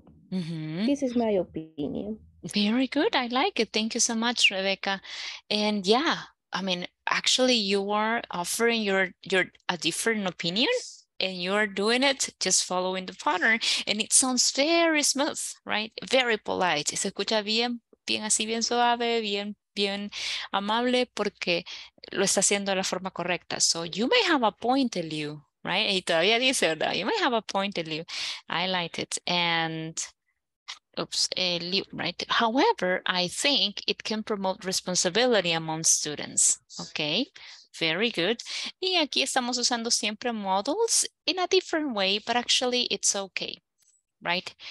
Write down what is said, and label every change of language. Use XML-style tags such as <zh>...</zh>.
<en>This is my opinion. Very good. I like it. Thank you so much, Rebecca. And yeah, I mean, actually, you are offering your a different opinion, and you are doing it just following the pattern, and it sounds very smooth, right? Very polite.</en> <es>Se escucha bien, bien así, bien suave, bien. Bien amable porque lo está haciendo de la forma correcta.</es> <en>So you may have a point, Eliu, right?</en> <es>Y todavía dice, ¿verdad?</es> <en>You may have a point, Eliu. I like it. And, Eliu, right? However, I think it can promote responsibility among students. Okay, very good.</en> <es>Y aquí estamos usando siempre</es> <en>models in a different way, but actually it's okay, right?</en>